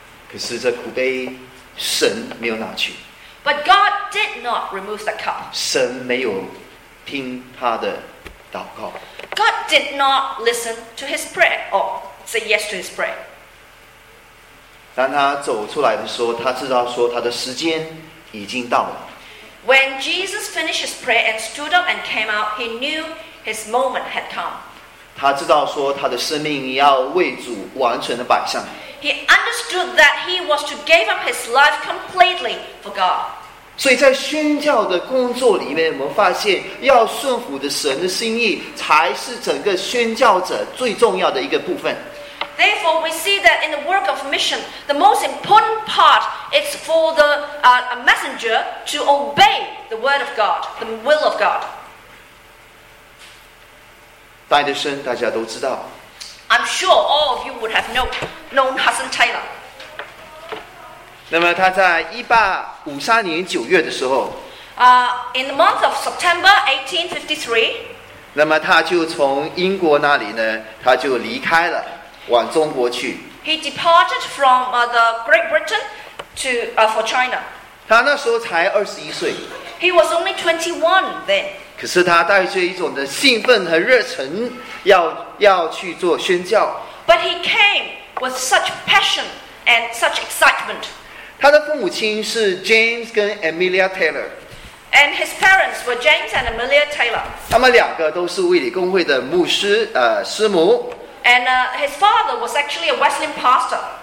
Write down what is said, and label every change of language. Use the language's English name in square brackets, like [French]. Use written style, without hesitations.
[Chinese] 可是这苦杯神没有拿去。 [English] But God did not remove the cup. [Chinese] 神没有听他的祷告。 [English] God did not listen to his prayer or say yes to his prayer. [Chinese] 当他走出来的时候，他知道说他的时间已经到了。 [English] When Jesus finished his prayer and stood up and came out, he knew his moment had come. [Chinese] 他知道说他的生命要为主完全的摆上。 [English] He understood that he was to give up his life completely for God. [Chinese] 所以在宣教的工作里面，我们发现要顺服的神的心意才是整个宣教者最重要的一个部分。 [English] Therefore, we see that in the work of mission, the most important part is for the messenger to obey the word of God, the will of God. [Chinese] 戴德生大家都知道。 [English] I'm sure all of you would have known Hudson Taylor. [Chinese] 那么他在1853年9月的时候 [English] In the month of September 1853, [Chinese] 那么他就从英国那里呢，他就离开了，往中国去。 [English] He departed from the Great Britain to for China. [Chinese] 他那时候才21岁。 [English] He was only 21 then. [Chinese] 可是他带着一种的兴奋和热忱要去做宣教。 [English] But he came with such passion and such excitement. [Chinese] 他的父母亲是 James 跟 Amelia Taylor. [English] And his parents were James and Amelia Taylor. [Chinese] 他们两个都是卫理公会的牧师，师母。 [English] And his father was actually a Wesleyan pastor.